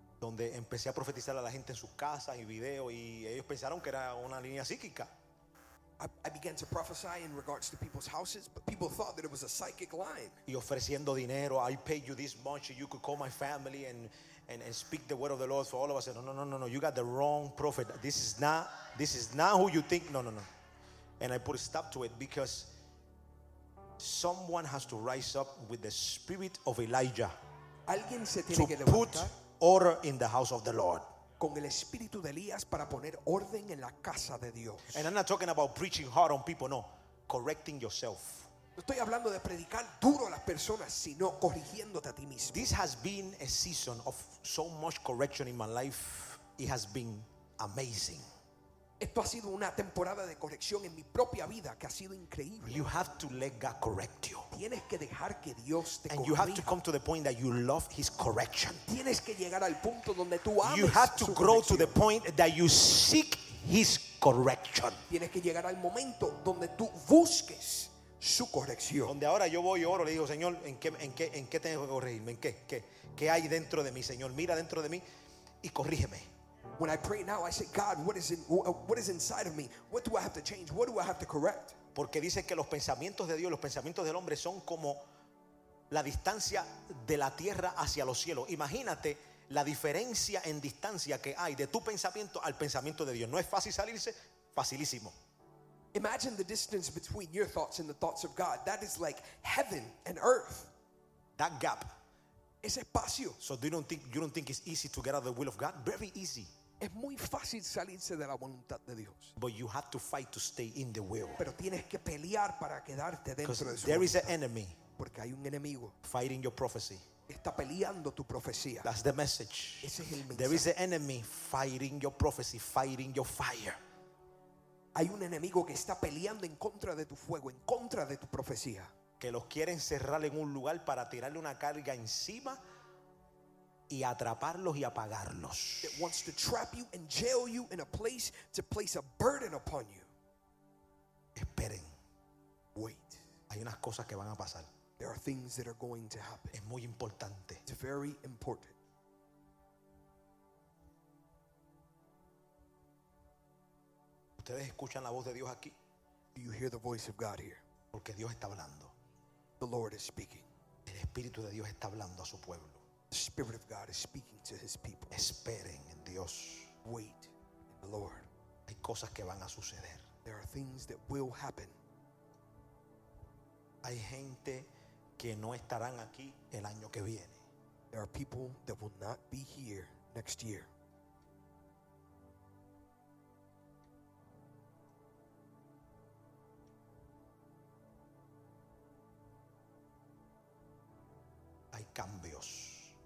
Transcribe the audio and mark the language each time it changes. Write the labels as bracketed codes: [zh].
[es] Donde empecé a profetizar a la gente en sus casas y videos, y ellos pensaron que era una línea psíquica. [en] I began to prophesy in regards to people's houses, but people thought that it was a psychic line. [es] Y ofreciendo dinero, [en] I pay you this much, you could call my family and speak the word of the Lord for all of us. And no, you got the wrong prophet. This is not who you think. No. And I put a stop to it because someone has to rise up with the spirit of Elijah. [es] Alguien se tiene que levantar. [en] Put order in the house of the Lord. [es] Con el espíritu de Elías para poner orden en la casa de Dios. [en] And I'm not talking about preaching hard on people, no. Correcting yourself. [es] No estoy hablando de predicar duro a las personas, sino corrigiéndote a ti mismo. [en] This has been a season of so much correction in my life. It has been amazing. [es] Esto ha sido una temporada de corrección en mi propia vida que ha sido increíble. [en] You have to let God correct you. [es] Tienes que dejar que Dios te corrija. [en] And you have to come to the point that you love His correction. [es] Tienes que llegar al punto donde tú ames. [en] You have to grow to the point that you seek His correction. [es] Tienes que llegar al momento donde tú busques su corrección. Donde ahora yo voy y oro, le digo, Señor, ¿en qué tengo que corregirme? ¿En qué? ¿Qué hay dentro de mí, Señor? Mira dentro de mí y corrígeme. [en] When I pray now, I say, God, what is inside of me? What do I have to change? What do I have to correct? [es] Porque dice que los pensamientos de Dios, los pensamientos del hombre son como la distancia de la tierra hacia los cielos. Imagínate la diferencia en distancia que hay de tu pensamiento al pensamiento de Dios. No es fácil salirse, facilísimo. [en] Imagine the distance between your thoughts and the thoughts of God. That is like heaven and earth. That gap. [es] Ese espacio. [en] So you don't think it's easy to get out of the will of God? Very easy. [es] Es muy fácil salirse de la voluntad de Dios. [en] But you have to fight to stay in the will. [es] Pero tienes que pelear para quedarte dentro de su voluntad. [en] There is an enemy. [es] Porque hay un enemigo. [en] Fighting your prophecy. [es] Está peleando tu profecía. [en] That's the message. [es] Ese es el mensaje. [en] There is an enemy fighting your prophecy, fighting your fire. [es] Hay un enemigo que está peleando en contra de tu fuego, en contra de tu profecía. Que los quiere encerrar en un lugar para tirarle una carga encima y atraparlos y apagarlos. [en] It wants to trap you and jail you in a place to place a burden upon you. [es] Esperen. [en] Wait. [es] Hay unas cosas que van a pasar. [en] There are things that are going to happen. [es] Es muy importante. [en] It's very important. [es] ¿Ustedes escuchan la voz de Dios aquí? [en] Do you hear the voice of God here? [es] Porque Dios está hablando. [en] The Lord is speaking. [es] El Espíritu de Dios está hablando a su pueblo. [en] The Spirit of God is speaking to His people. [es] Esperen en Dios. [en] Wait in the Lord. [es] Hay cosas que van a suceder. [en] There are things that will happen. [es] Hay gente que no estarán aquí el año que viene. [en] There are people that will not be here next year. [es] Cambios.